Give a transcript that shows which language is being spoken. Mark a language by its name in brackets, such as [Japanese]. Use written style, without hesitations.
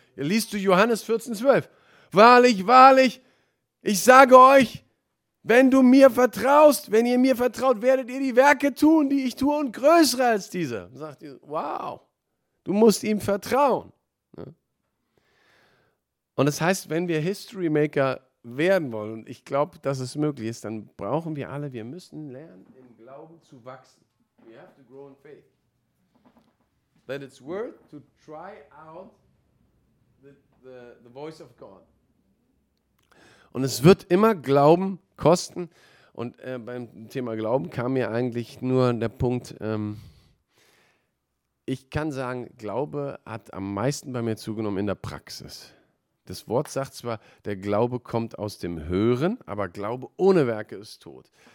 [German] Liest du Johannes 14, 12. Wahrlich, wahrlich, ich sage euch, wenn du mir vertraust, wenn ihr mir vertraut, werdet ihr die Werke tun, die ich tue, und größere als diese. Sagt Jesus, wow, du musst ihm vertrauen. Und das heißt, wenn wir History Maker werden wollen, und ich glaube, dass es möglich ist, dann brauchen wir alle, wir müssen lernen, im Glauben zu wachsen. [English] We have to grow in faith. That it's worth to try out the voice of God. [German] Und es wird immer Glauben kosten. Und beim Thema Glauben kam mir eigentlich nur der Punkt, ich kann sagen, Glaube hat am meisten bei mir zugenommen in der Praxis. Das Wort sagt zwar, der Glaube kommt aus dem Hören, aber Glaube ohne Werke ist tot.